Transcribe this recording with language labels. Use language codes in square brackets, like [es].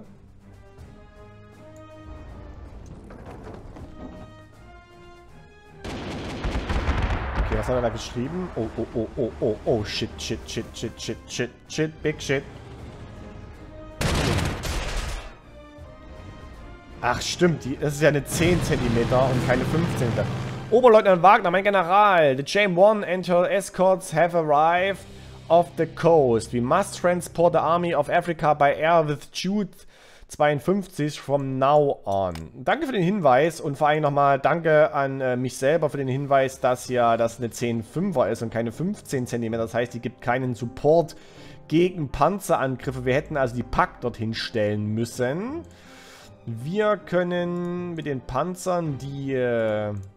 [de] Okay, was hat er da geschrieben? [en] Oh, oh, oh, oh, oh, oh, shit, shit, shit, shit, shit, shit, shit, big shit. [de] Ach stimmt, das ist ja eine 10 cm und keine 15. [en] Oberleutnant Wagner, [de] mein General, [en] the J-1 and her escorts have arrived. Of the coast. We must transport the army of Africa by air with Jude 52 from now on. [de] Danke für den Hinweis und vor allem nochmal danke an mich selber für den Hinweis, dass ja das eine 10,5er ist und keine 15 cm. Das heißt, die gibt keinen Support gegen Panzerangriffe. Wir hätten also die Pack dorthin stellen müssen. Wir können mit den Panzern die...